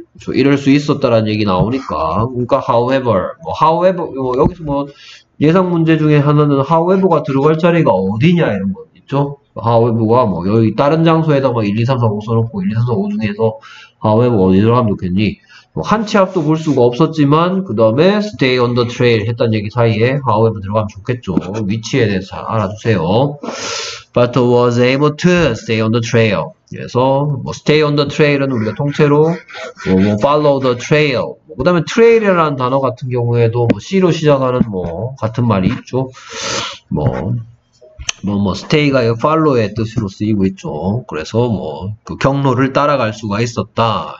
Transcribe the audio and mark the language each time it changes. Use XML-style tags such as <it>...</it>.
<ko>저 이럴 수 있었다라는 얘기 나오니까, 그러니까 however 뭐 however 뭐 여기서 뭐 예상 문제 중에 하나는 however가 들어갈 자리가 어디냐 이런 거. 그렇죠? However가 뭐 여기 다른 장소에다가 1, 2, 3, 4, 5 써놓고 1, 2, 3, 4, 5 중에서 however 어디로 하면 좋겠니? 뭐한치 앞도 볼 수가 없었지만 그 다음에</ko> <en>stay on the trail</en> <ko>했단 얘기 사이에 however 들어가면 좋겠죠. 위치에 대해서 알아주세요.</ko> <en>But was able to stay on the trail.</en> <ko>그래서 뭐</ko> <en>stay on the trail</en> <ko>은 우리가 통째로 뭐</ko> <en>follow the trail.</en> <ko>그 다음에 trail이라는 단어 같은 경우에도 뭐 C로 시작하는 뭐 같은 말이 있죠. 뭐, stay가 follow의 뜻으로 쓰이고 있죠. 그래서 뭐, 그 경로를 따라갈 수가 있었다.</ko>